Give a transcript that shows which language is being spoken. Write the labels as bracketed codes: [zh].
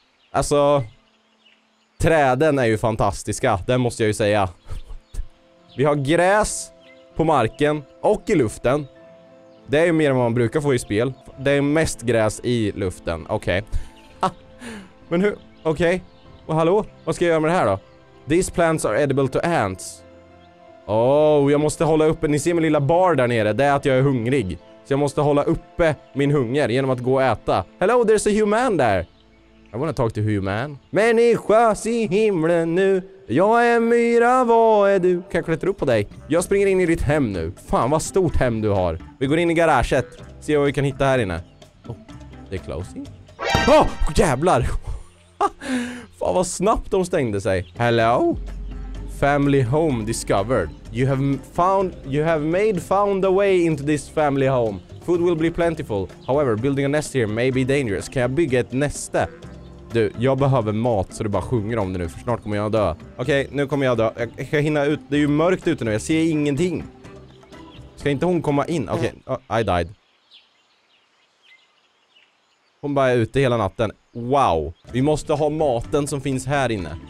[sv] Alltså, träden är ju fantastiska, det måste jag ju säga. Vi har gräs på marken och i luften. Det är ju mer än vad man brukar få i spel. Det är mest gräs i luften. Okej. Men hur? Okej. Och hallå, vad ska jag göra med det här då? [en] These plants are edible to ants. [sv] Oh, jag måste hålla uppe. Ni ser min lilla bar där nere. Det är att jag är hungrig. Så jag måste hålla uppe min hunger genom att gå och äta. [en] Hello, there's a human there. I wanna talk to human. [sv] Människa, se himlen nu. Jag är myra, vad är du? Kan jag klättra upp på dig? Jag springer in i ditt hem nu. Fan, vad stort hem du har. Vi går in i garaget. Se vad vi kan hitta här inne. Oh, det är closing. Oh, jävlar. Fan, vad snabbt de stängde sig. [en] Hello? Family home discovered. You have found a way into this family home. Food will be plentiful. However, building a nest here may be dangerous. [sv] Kan jag bygga ett näste? Du, jag behöver mat så du bara sjunger om det nu. För snart kommer jag dö. Okej, nu kommer jag dö. Jag ska hinna ut. Det är ju mörkt ute nu. Jag ser ingenting. Ska inte hon komma in? [en] Okej, I died. [sv] Hon bara är ute hela natten. Wow. Vi måste ha maten som finns här inne.